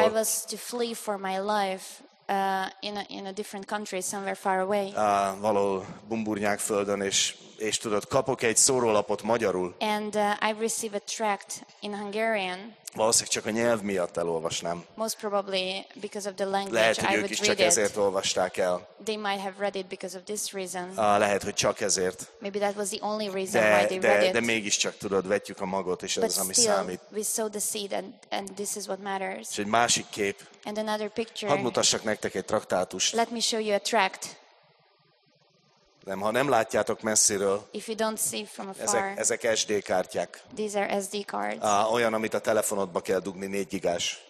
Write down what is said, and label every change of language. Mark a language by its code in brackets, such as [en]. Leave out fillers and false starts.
[en] If I was to flee for my life, in a different country, somewhere far away. [hu] Valahol bumburnyák földön, és tudod, kapok egy szórólapot magyarul. [en] And I receive a tract in Hungarian. [hu] Valószínűleg csak a nyelv miatt elolvasnám. [en] Most probably because of the language. [hu] Lehet, hogy [en] I [hu] ők [en] would [hu] is csak ezért olvasták el. [en] They might have read it because of this reason. [hu] Lehet, hogy csak ezért. [en] Maybe that was the only reason why they read it. [hu] De mégis csak tudod, vetjük a magot, és ez az, ami számít. [en] We sow the seed and this is what matters. [hu] És egy másik kép. [en] And another picture. [hu] Hadd mutassak nektek egy traktátust. [en] Let me show you a tract. [hu] Nem, ha nem látjátok messziről, [en] if you don't see from afar, [hu] ezek SD kártyák. [en] These are SD cards. [hu] Olyan, amit a telefonodba kell dugni, 4 gigás.